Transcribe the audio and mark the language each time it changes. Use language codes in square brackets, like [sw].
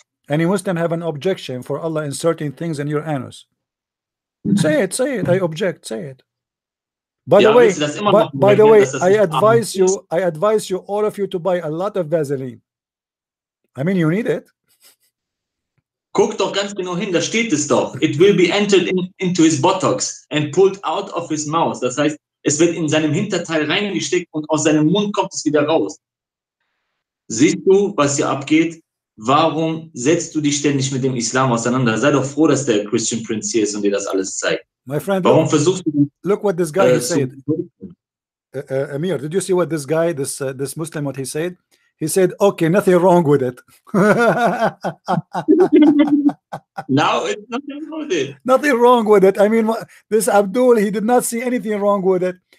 [en] Any Muslim have an objection for Allah inserting things in your anus? Say it. I object. Say it. By the way, I advise you. I advise you, all of you, to buy a lot of Vaseline. I mean, you need it. [de] Guck doch ganz genau hin, da steht es doch. [en] It will be entered into his buttocks and pulled out of his mouth. [de] Das heißt, es wird in seinem Hinterteil reingesteckt und aus seinem Mund kommt es wieder raus. Siehst du, was hier abgeht? Warum setzt du dich ständig mit dem Islam auseinander? Sei doch froh, dass der Christian Prince hier ist und dir das alles zeigt. [en] My friend, [de] warum versuchst du, [en] look what this guy said. Amir, did you see what this guy, this Muslim, what he said? He said, okay, nothing wrong with it. Now it's nothing wrong with it. Nothing wrong with it. I mean, this Abdul, he did not see anything wrong with it.